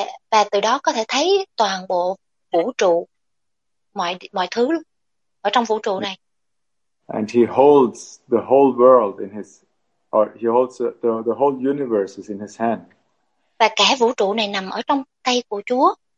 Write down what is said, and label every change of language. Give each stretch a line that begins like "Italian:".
Vietnamese: Và từ đó có thể thấy toàn bộ vũ trụ, mọi thứ ở trong vũ trụ này.
English: And he holds the whole world in his, or he holds the whole universe is in his hand.
Vietnamese: Và cả vũ trụ này nằm ở trong tay của Chúa.